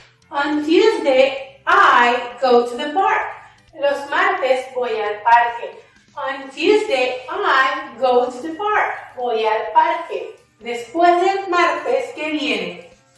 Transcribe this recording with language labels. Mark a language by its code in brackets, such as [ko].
[en] On Tuesday, I go to the park. [es] Los martes voy al parque. [en] On Tuesday, I go to the park. [es] Voy al parque. Después del martes, ¿qué viene?